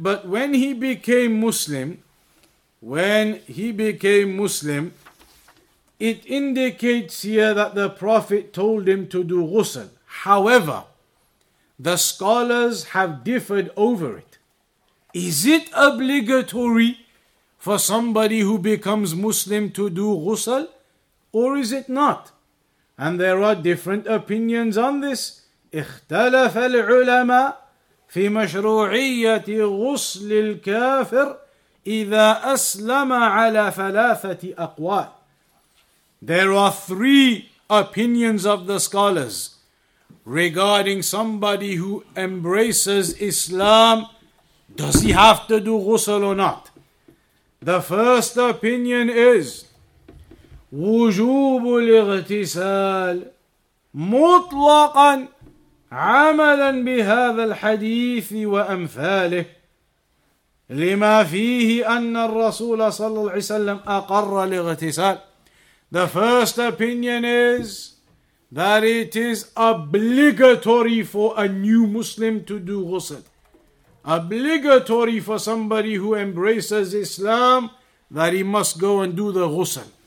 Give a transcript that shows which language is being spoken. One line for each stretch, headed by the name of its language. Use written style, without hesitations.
English: But when he became Muslim, it indicates here that the Prophet told him to do ghusl. However, the scholars have differed over it. Is it obligatory for somebody who becomes Muslim to do ghusl, or is it not? And there are different opinions on this.
Arabic: اختلف العلماء في مشروعية غسل الكافر إذا أسلم على ثلاثة أقوال.
English: There are three opinions of the scholars regarding somebody who embraces Islam. Does he have to do ghusl or not? The first opinion is
Arabic: وجوب الاغتسال مطلقا عملا بهذا الحديث وأمثاله لما فيه أن الرسول صلى الله عليه وسلم أقر الاغتسال.
English: The first opinion is that it is obligatory for a new Muslim to do ghusl. Obligatory for somebody who embraces Islam that he must go and do the ghusl.